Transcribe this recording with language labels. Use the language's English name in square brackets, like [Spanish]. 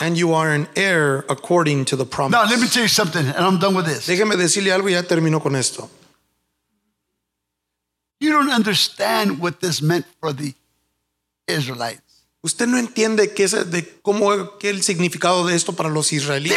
[English] And you are an heir according to the promise. Now let me tell you something, and I'm done with this. [Spanish] Déjeme decirle algo y ya termino con esto. [English] You don't understand what this meant for the Israelites. [Spanish] Usted no entiende qué el significado de esto para los israelitas.